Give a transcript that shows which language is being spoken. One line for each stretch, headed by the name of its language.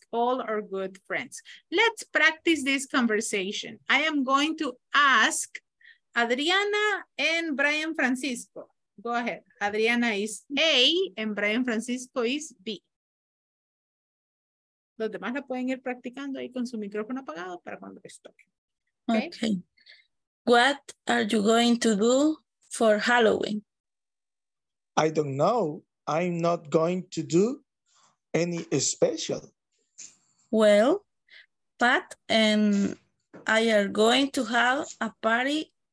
English: We are going to ask all our good friends. Let's practice this conversation. I am going to ask Adriana and Brian Francisco. Go ahead. Adriana is A and Brian Francisco is B.
Spanish: Los demás la pueden ir practicando ahí con su micrófono apagado para cuando les toque.
English: Okay. What are you going to do for Halloween? I don't know. I'm not going to do any special. Well, Pat and I are going to have a party.